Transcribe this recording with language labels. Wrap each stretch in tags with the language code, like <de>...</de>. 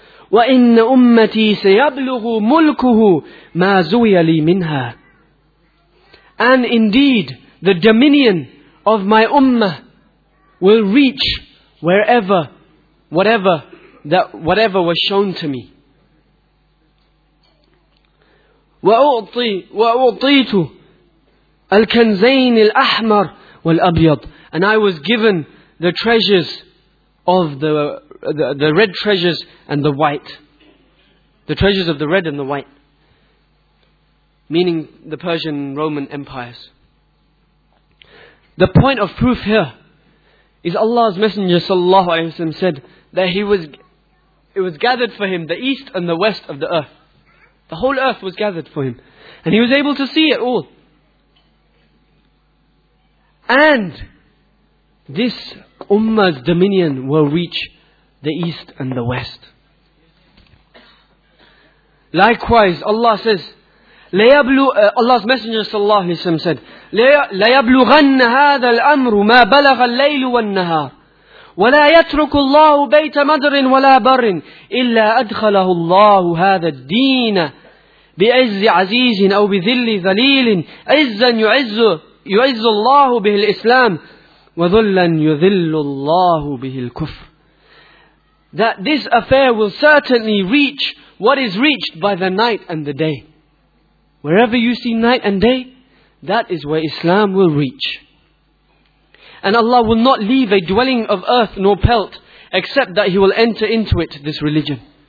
<ar>وَإِنَّ أُمَّتِي سَيَبْلُغُ مُلْكُهُ مَا زُوِيَ لِي مِنْهَا</ar> <en>And indeed, the dominion of my ummah will reach wherever, whatever was shown to me.</en> <ar>وأعطيت الكنزين الأحمر والأبيض.</ar> <en>And I was given the treasures of the red treasures and the white. The treasures of the red and the white. Meaning the Persian Roman empires. The point of proof here is Allah's Messenger sallallahu alaihi wasallam said that it was gathered for him, the east and the west of the earth. The whole earth was gathered for him. And he was able to see it all. And this Ummah's dominion will reach the east and the west. Likewise, Allah says, Allah's Messenger sallallahu alaihi wasallam said,</en> <ar>لَيَبْلُغَنَّ هَذَا الْأَمْرُ مَا بَلَغَ اللَّيْلُ وَالنَّهَارُ وَلَا يَتْرُكُ اللَّهُ بَيْتَ مَدْرٍ وَلَا بَرٍ إِلَّا أَدْخَلَهُ اللَّهُ هَذَا الدِّينَ بِعِزِّ عَزِيزٍ أَوْ بِذِلِّ ذَلِيلٍ عِزًّا يُعِزُّ اللَّهُ بِهِ الْإِسْلَامِ وَذُلًّا يُذِلُّ اللَّهُ بِهِ الْكُفْرِ.</ar> <en>That this affair will certainly reach what is reached by the night and the day. Wherever you see night and day, that is where Islam will reach. And Allah will not leave a dwelling of earth nor pelt, except that He will enter into it, this religion.</en>